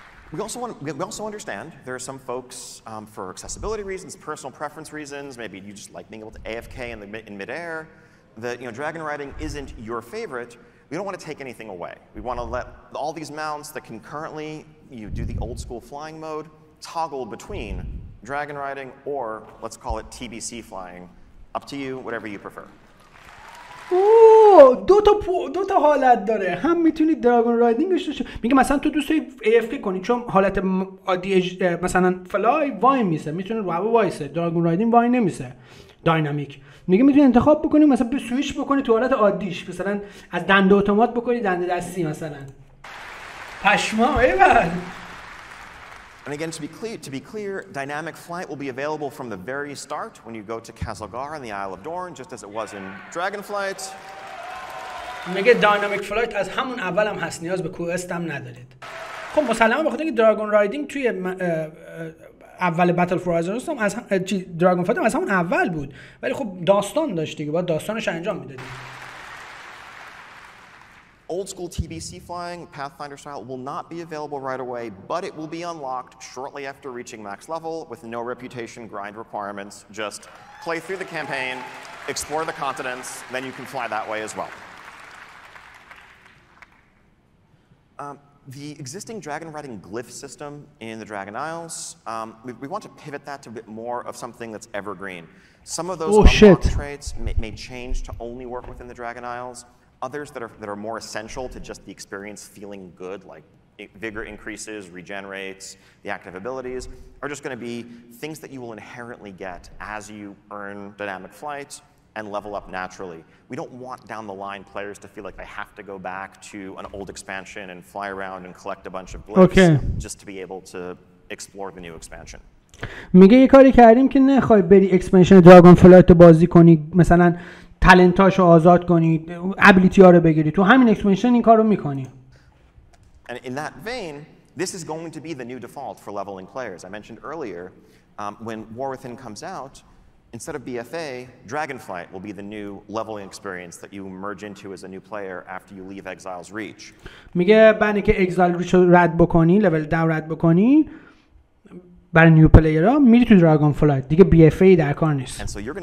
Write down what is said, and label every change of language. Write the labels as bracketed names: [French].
[English] We also understand there are some folks for accessibility reasons, personal preference reasons, maybe you just like being able to AFK in midair, that you know dragon riding isn't your favorite. We don't want to take anything away. We want to let all these mounts that can currently you do the old school flying mode toggle between dragon riding or let's call it TBC flying. Up to you, whatever you prefer. [Persian] اوه دو تا حالت داره، هم میتونی دراگون رایدینگ شو میگه مثلا تو دوست داری AFK کنی چون حالت عادی مثلا فلای وای میسه، میتونه رو هوا وایسه، دراگون رایدینگ وای نمیسه داینامیک، میگه میتونی انتخاب بکنی مثلا به سویش بکنی تو حالت عادیش، مثلا از دنده اتومات بکنی دنده دستی مثلا پشمام ایول. [English] And again, to be clear, dynamic flight will be available from the very start when you go to Castlegar in the Isle of Dorne, just as it was in Dragonflight. [Persian] میگه dynamic flight از همون اولم هست، نیاز به کوست هم ندارید. خب مسلمه بخاطر اینکه دراگون رایدینگ توی اول بتل فور آیزنوس هم از دراگون فلایت هم از همون اول بود، ولی خب داستان داشت دیگه، باید داستانش انجام میدادید. [English] Old school TBC flying, Pathfinder style, will not be available right away, but it will be unlocked shortly after reaching max level with no reputation grind requirements. Just play through the campaign, explore the continents, then you can fly that way as well. The existing dragon riding glyph system in the Dragon Isles, we want to pivot that to a bit more of something that's evergreen. Some of those unlocked traits may change to only work within the Dragon Isles. Others that are more essential to just the experience feeling good, like vigor increases, regenerates, the active abilities, are just going to be things that you will inherently get as you earn dynamic flight and level up naturally. We don't want down the line players to feel like they have to go back to an old expansion and fly around and collect a bunch of blips just to be able to explore the new expansion. [Persian] میگه یه کاری کردیم که نخواهی بری اکسپنشن دراگون فلایت رو بازی کنی، مثلا تلنتاشو آزاد کنی، ابیلیتی ها رو بگیری، تو همین اکسپنشن این کارو میکنی. [English] And in that vein, this is going to be the new default for leveling players. I mentioned earlier, when War Within comes out, instead of BFA, Dragonflight will be the new leveling experience that you merge into as a new player after you leave Exile's Reach. [Persian] میگه بعد اینکه Exile Reach رو رد بکنی، لول داون رد بکنی، برای نیو پلیر ها میری تو دراگون فلایت، دیگه بی اف ای در کار نیست.